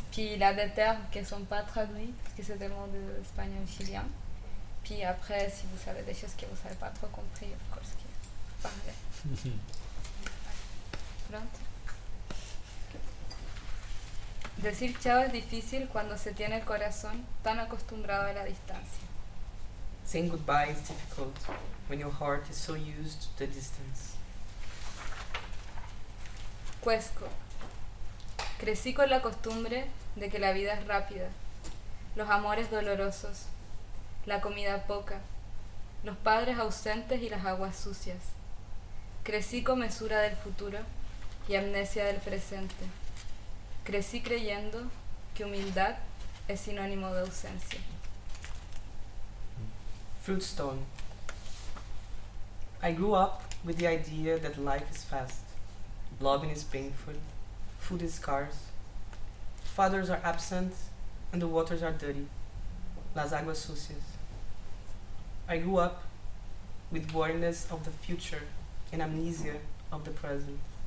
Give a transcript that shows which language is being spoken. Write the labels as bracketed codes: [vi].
[fr] Puis il a des termes qui ne sont pas traduits, parce que c'est des mots de l'espagnol chilien. Puis après, si vous savez des choses que vous n'avez pas trop compris, [en] of course, [fr] que parlez. [es] Decir chao es difícil cuando se tiene el corazón tan acostumbrado a la distancia. [en] Saying goodbye is difficult when your heart is so used to the distance. Cuesco. [es] Crecí con la costumbre de que la vida es rápida, los amores dolorosos, la comida poca, los padres ausentes y las aguas sucias. Crecí con mesura del futuro y amnesia del presente. Crecí creyendo que humildad es sinónimo de ausencia. Fruitstone. [en] I grew up with the idea that life is fast, loving is painful, food is scarce, fathers are absent, and the waters are dirty, [es] las aguas sucias. [en] I grew up with worriedness of the future and amnesia of the present.